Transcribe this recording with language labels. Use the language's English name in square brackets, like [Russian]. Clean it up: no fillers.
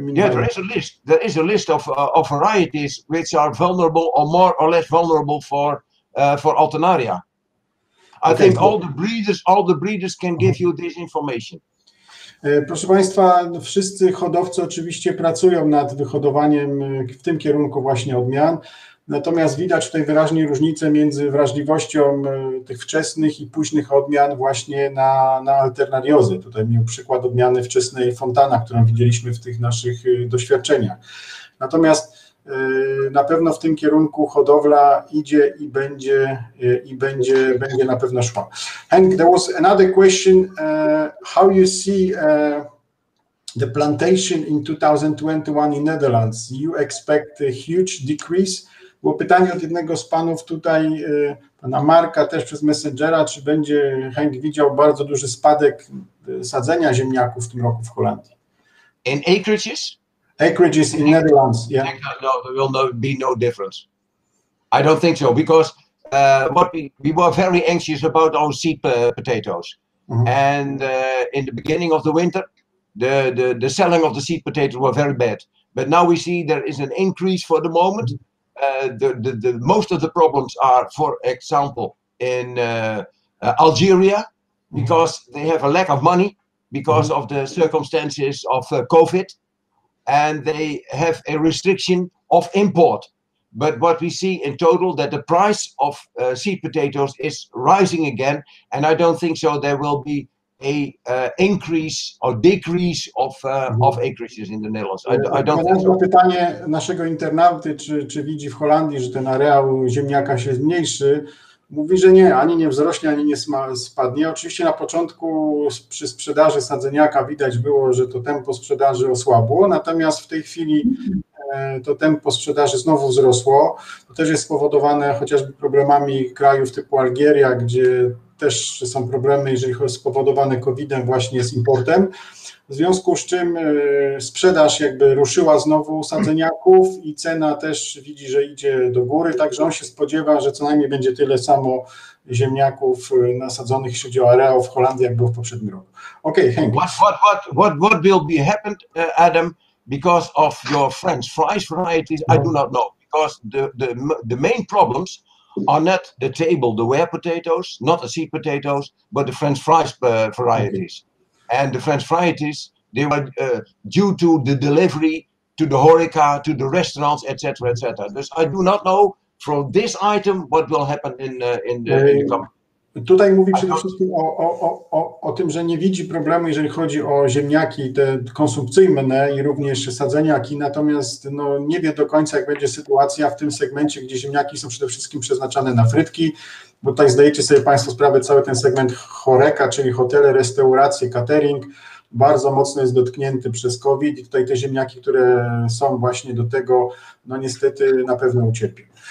[English] mean yeah, there is a list. There is a list of varieties which are vulnerable or more or less vulnerable for alternaria. I think all the breeders can give you this information. [Polish] Proszę Państwa, wszyscy hodowcy oczywiście pracują nad wyhodowaniem w tym kierunku właśnie odmian. Natomiast widać tutaj wyraźnie różnicę między wrażliwością tych wczesnych i późnych odmian właśnie na alternariozę. Tutaj miał przykład odmiany wczesnej Fontana, którą widzieliśmy w tych naszych doświadczeniach. Natomiast na pewno w tym kierunku hodowla idzie i będzie na pewno szła. [English] Henk, there was another question. How you see the plantation in 2021 in Netherlands? You expect a huge decrease? [Polish] Było pytanie od jednego z panów tutaj, pana Marka, też przez Messengera, czy będzie Henk widział bardzo duży spadek sadzenia ziemniaków w tym roku w Holandii? [English] In acreages? Acreages in Netherlands, yeah. No, there will be no difference. I don't think so, because what we were very anxious about our seed potatoes. Mm-hmm. And in the beginning of the winter, the selling of the seed potatoes were very bad. But now we see there is an increase for the moment. Mm-hmm. The most of the problems are, for example, in Algeria, because mm-hmm. they have a lack of money because mm-hmm. of the circumstances of COVID, and they have a restriction of import. But what we see in total that the price of seed potatoes is rising again, and I don't think so there will be a increase or decrease of acreages in the Netherlands. I don't think so. [Polish] Pytanie naszego internauty, czy widzi w Holandii, że ten areał ziemniaka się zmniejszy, mówi, że nie, ani nie wzrośnie, ani nie spadnie. Oczywiście na początku przy sprzedaży sadzeniaka widać było, że to tempo sprzedaży osłabło, natomiast w tej chwili to tempo sprzedaży znowu wzrosło. To też jest spowodowane chociażby problemami krajów typu Algieria, gdzie też są problemy, jeżeli chodzi o spowodowane COVID-em właśnie z importem. W związku z czym sprzedaż jakby ruszyła znowu sadzeniaków i cena też widzi, że idzie do góry, także on się spodziewa, że co najmniej będzie tyle samo ziemniaków nasadzonych wśród areał w Holandii, jak było w poprzednim roku. [English] Okej, okay, Henk. What will be happened, Adam, because of your French fries varieties, I do not know, because the main problems are not the table, the ware potatoes, not the seed potatoes, but the French fries varieties. Okay. And the French varieties, they were due to the delivery to the Horeca, to the restaurants, etc., etc. Thus, I do not know from this item what will happen in the company. [Polish] Tutaj mówi przede wszystkim o tym, że nie widzi problemu, jeżeli chodzi o ziemniaki te konsumpcyjne i również sadzeniaki, natomiast no, nie wie do końca, jak będzie sytuacja w tym segmencie, gdzie ziemniaki są przede wszystkim przeznaczane na frytki, bo tutaj zdajecie sobie Państwo sprawę, cały ten segment Horeca, czyli hotele, restauracje, catering, bardzo mocno jest dotknięty przez COVID i tutaj te ziemniaki, które są właśnie do tego, no niestety na pewno ucierpią.